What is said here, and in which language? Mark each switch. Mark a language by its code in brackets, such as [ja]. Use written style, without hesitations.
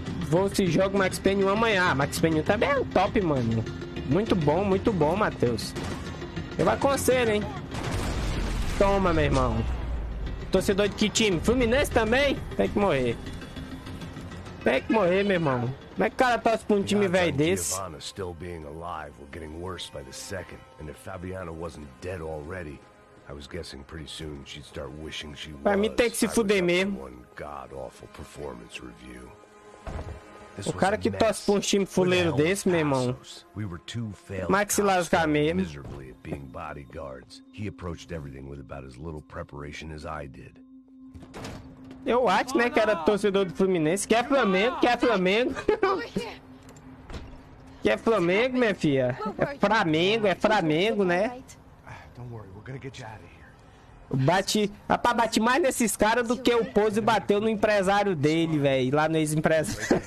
[pt] vou se jogo Max Payne 1 amanhã. Max Payne 1 também é um top, mano. Muito bom, Matheus. Eu aconselho, hein? Toma, meu irmão. Torcedor de que time? Fluminense também? Tem que morrer. Tem que morrer, meu irmão. Como é que o cara torce pra um time velho desse? [en] Giovanna still being alive, we're getting worse by the second. And if Fabiana wasn't dead already, I was guessing pretty soon she'd start wishing she was. [pt] Pra mim tem que se fuder mesmo. O cara que torce pra um time fuleiro desse, meu irmão. Como é que se lascar mesmo? [en] Being bodyguards, he approached everything with about as little preparation as I did. [pt] Eu acho, né, que era torcedor do Fluminense. Que é Flamengo, que é Flamengo. Que é Flamengo, minha filha. É Flamengo, né? Bate, rapaz, bate mais nesses caras do que o Pose bateu no empresário dele, velho. Lá no ex-empresário.